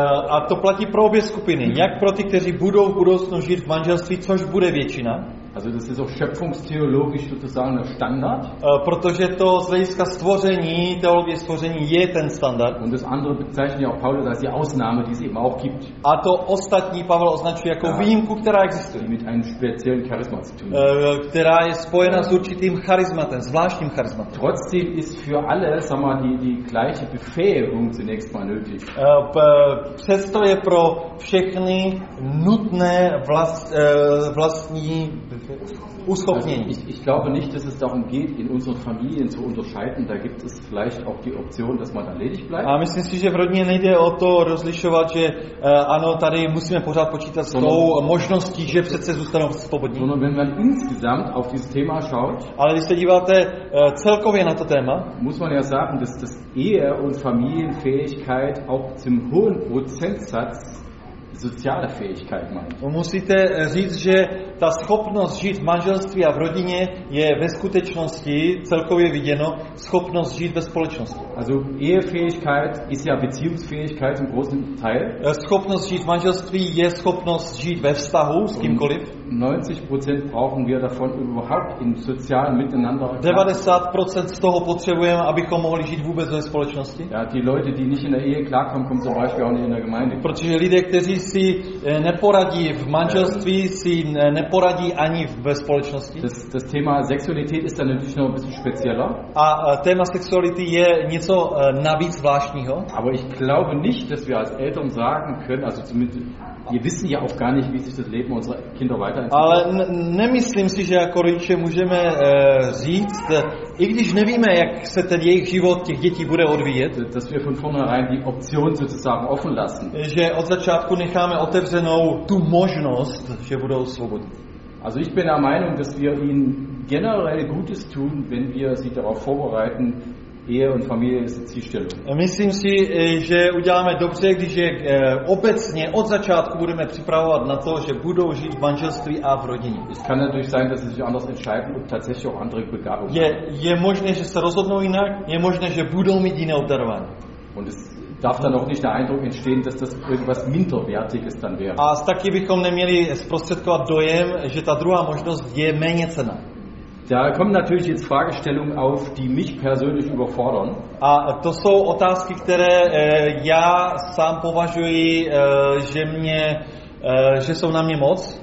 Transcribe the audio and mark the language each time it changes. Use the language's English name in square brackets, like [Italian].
[Czech] A to platí pro obě skupiny, jak pro ty, kteří budou v budoucnu žít v manželství, což bude většina. [German] Also das ist auch schöpfungstheologisch sozusagen der Standard. [Czech] Protože to z hlediska stvoření, teologie stvoření je ten standard. [German] Und das andere bezeichnet ja auch Paulus als die Ausnahme, die es eben auch gibt. [Czech] A to ostatní Pavel označuje jako výjimku, která existuje. [German] Mit einem speziellen Charisma zu tun. [Czech] Která je spojena s určitým charismatem, zvláštním charismatem. [German] Trotzdem ist für alle, sag mal, die gleiche Befähigung zunächst mal nötig. [Czech] Přesto je pro všechny nutné vlastní uschopnění. [German] Ich glaube nicht, dass es darum geht, in unseren Familien zu unterscheiden. Da gibt es vielleicht auch die Option, dass man da ledig bleibt. [Czech] A myslím si, že v rodině nejde o to rozlišovat, že ano, tady musíme pořád počítat s tou možností, že přece zůstanou svobodní. [German] Sondern wenn man insgesamt auf dieses Thema schaut, [Czech] ale když se díváte celkově na to téma, [German] muss man ja sagen, dass das Ehe- und Familienfähigkeit auch zum hohen Prozentsatz soziale Fähigkeit meint. Und [Czech] musíte říct, že ta schopnost žít v manželství a v rodině je ve skutečnosti celkově viděno schopnost žít ve společnosti. [German] Also Ehefähigkeit ist ja Beziehungsfähigkeit im großen Teil. [Czech] Schopnost žít v manželství je schopnost žít ve vztahu s kýmkoliv. [German] 90% brauchen wir davon überhaupt im sozialen Miteinander. [Czech] 90% z toho potřebujeme, abychom mohli žít vůbec ve společnosti. [German] Ja, die Leute, die nicht in der Ehe klarkommen, kommen zum Beispiel auch nicht in der Gemeinde. [Czech] Protože lidé, kteří si neporadí v manželství, si neporadí ani ve společnosti. [German] Das Thema Sexualität ist dann natürlich noch ein bisschen spezieller. [Czech] A téma sexuality je něco navíc zvláštního. [German] Aber ich glaube nicht, dass wir als Eltern sagen können, also zumindest wir wissen ja auch gar nicht, wie sich das Leben unserer Kinder weiterentwickelt. [Czech] Ale nemyslím si, že jako rodiče můžeme říct, I když nevíme, jak se ten jejich život těch dětí bude odvíjet, [German] dass wir von vornherein die Option sozusagen offen lassen. [Czech] Že od začátku necháme otevřenou tu možnost, že budou svobodní. [German] Also ich bin der Meinung, dass wir ihnen generell Gutes tun, wenn wir sie darauf vorbereiten, Ehe und Familie ist die Zielstellung. [Czech] Myslím si, že uděláme dobře, když je obecně od začátku budeme připravovat na to, že budou žít v manželství a v rodině. [German] Es kann natürlich sein, dass sie sich anders entscheiden und tatsächlich auch andere Begabungen haben. [Czech] Je možné, že se rozhodnou jinak, je možné, že budou mít jiné obdarování. [German] Und es darf dann auch nicht der Eindruck entstehen, dass das irgendwas minderwertiges dann wäre. [Czech] A taky bychom neměli zprostředkovat dojem, že ta druhá možnost je méně cenná. [German] Da kommen natürlich jetzt Fragestellungen auf, die mich persönlich überfordern. [Czech] A to jsou otázky, které já sám považuji, že mě, že jsou na mě moc.